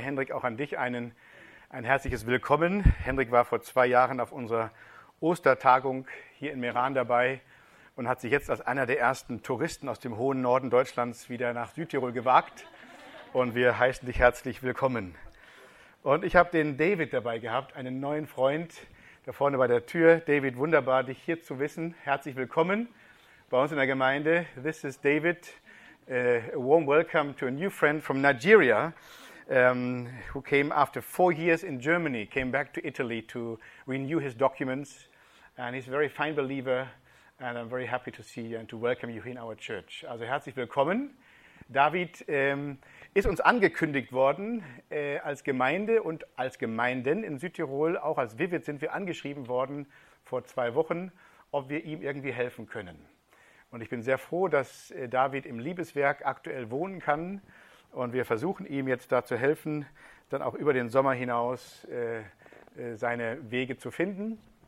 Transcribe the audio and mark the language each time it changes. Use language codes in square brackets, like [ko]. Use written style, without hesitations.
[de] Hendrik, auch an dich ein herzliches Willkommen. Hendrik war vor 2 Jahren auf unserer Ostertagung hier in Meran dabei und hat sich jetzt als einer der ersten Touristen aus dem hohen Norden Deutschlands wieder nach Südtirol gewagt und wir heißen dich herzlich willkommen. Und ich habe den David dabei gehabt, einen neuen Freund, da vorne bei der Tür. David, wunderbar, dich hier zu wissen. Herzlich willkommen bei uns in der Gemeinde. [en] This is David. A warm welcome to a new friend from Nigeria, who came after 4 years in Germany, came back to Italy to renew his documents. And he's a very fine believer and I'm very happy to see you and to welcome you in our church. [de] Also herzlich willkommen, David. Ist uns angekündigt worden als Gemeinde und als Gemeinden in Südtirol, auch als Vivid sind wir angeschrieben worden vor 2 Wochen, ob wir ihm irgendwie helfen können. Und ich bin sehr froh, dass David im Liebeswerk aktuell wohnen kann und wir versuchen ihm jetzt da zu helfen, dann auch über den Sommer hinaus seine Wege zu finden.